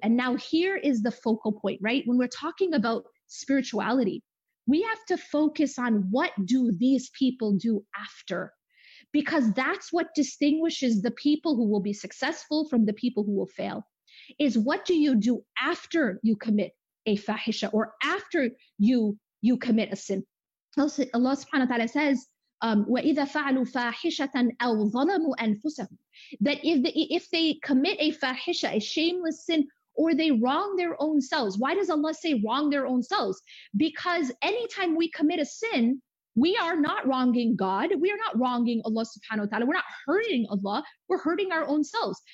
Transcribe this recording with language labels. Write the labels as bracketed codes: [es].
[en] And now here is the focal point, right? When we're talking about spirituality, we have to focus on what do these people do after? Because that's what distinguishes the people who will be successful from the people who will fail, is what do you do after you commit a fahisha or after you commit a sin? [ar] Allah subhanahu wa ta'ala says, وَإِذَا فَعَلُوا فَاحِشَةً أَوْ ظَلَمُوا أَنفُسَهُمْ. [en] That if they commit a fahisha, a shameless sin, or they wrong their own selves. Why does Allah say wrong their own selves? Because anytime we commit a sin, we are not wronging God. We are not wronging Allah subhanahu wa ta'ala. We're not hurting Allah. We're hurting our own selves.